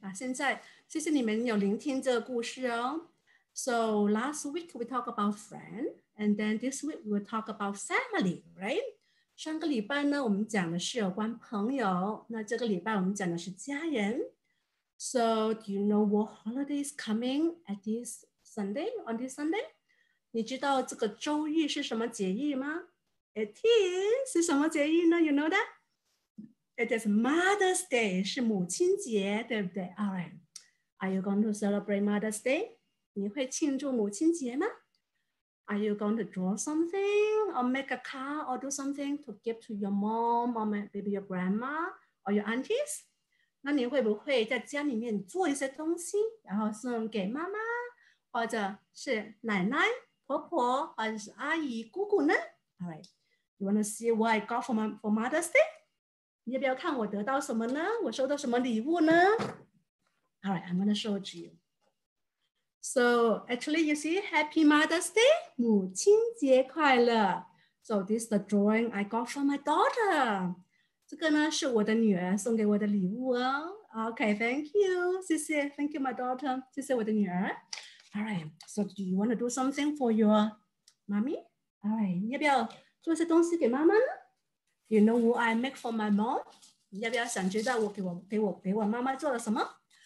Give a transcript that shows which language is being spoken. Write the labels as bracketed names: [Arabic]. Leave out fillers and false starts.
[Chinese] 现在谢谢你们有聆听这个故事哦。 [English] So last week we talked about friend, and then this week we'll talk about family, right? [Chinese] 上个礼拜呢，我们讲的是有关朋友，那这个礼拜我们讲的是家人。 [English] So do you know what holiday is coming at this Sunday? On this Sunday? [Chinese] 你知道这个周日是什么节日吗？ [English] It is, [Chinese] 是什么节日呢？ [English] You know that? It is Mother's Day, [Chinese] 是母亲节，对不对？ [English] All right. Are you going to celebrate Mother's Day? [Chinese] 你会庆祝母亲节吗？ [English] Are you going to draw something or make a card or do something to give to your mom or maybe your grandma or your aunties? [Chinese] 那你会不会在家里面做一些东西，然后送给妈妈或者是奶奶、婆婆或者是阿姨、姑姑呢？ [English] All right, you want to see what I got for Mother's Day? [Chinese] 你要不要看我得到什么呢？我收到什么礼物呢？ [English] All right, I'm going to show it to you. So, actually, you see, Happy Mother's Day, [Chinese] 母亲节快乐。 [English] So, this is the drawing I got from my daughter. [Chinese] 这个呢，是我的女儿送给我的礼物哦。 [English] Okay, thank you. [Chinese] 谢谢。 [English] Thank you, my daughter. [Chinese] 谢谢我的女儿。 [English] All right, so do you want to do something for your mommy? [Chinese] All right, 你要不要做些东西给妈妈呢？ [English] You know what I make for my mom? [Chinese] 你要不要想知道我给我妈妈做了什么？